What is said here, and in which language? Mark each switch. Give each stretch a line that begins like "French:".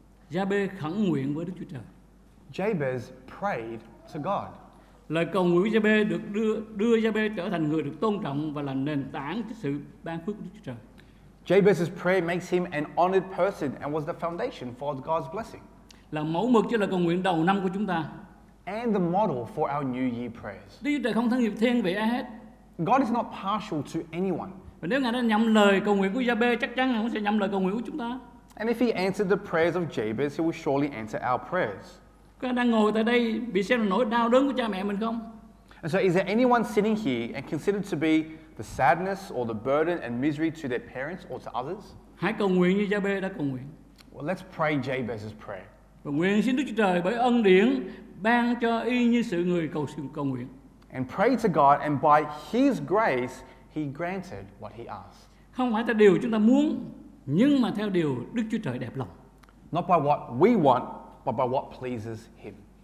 Vietnamese: Jabez khẩn nguyện với Đức Chúa Trời.
English: Jabez prayed to God.
Vietnamese: Lời cầu nguyện của Jabez được đưa Jabez trở thành người được tôn trọng và là nền tảng cho sự ban phước của Đức Chúa Trời.
English: Jabez's prayer makes him an honored person and was the foundation for God's blessing.
Vietnamese: Là mẫu mực cho lời cầu nguyện đầu năm của chúng ta.
English: And the model for our New Year prayers.
Vietnamese: Đức Chúa Trời không thân nghiệp thiên vị ai hết.
English: God is not partial to anyone.
Vietnamese: Và nếu Ngài đã nhậm lời cầu nguyện của Jabez, chắc chắn Ngài cũng sẽ nhậm lời cầu nguyện của chúng ta.
English: And if he answered the prayers of Jabez, he will surely answer our prayers.
Vietnamese: Có ai đang ngồi tại đây bị xem là nỗi đau đớn của cha mẹ mình không?
English: And so is there anyone sitting here and considered to be the sadness or the burden and misery to their parents or to others?
Vietnamese: Hãy cầu nguyện như Jabez đã cầu nguyện.
English: Well, let's pray Jabez's prayer.
Vietnamese: Và nguyện xin Đức Chúa Trời bởi ân điển ban cho y như sự người cầu nguyện.
English: And pray to God and by his grace he granted what he asked.
Vietnamese: Không phải theo điều chúng ta muốn, nhưng mà theo điều Đức Chúa Trời đẹp lòng.
English: Not by what we want, but by what pleases him.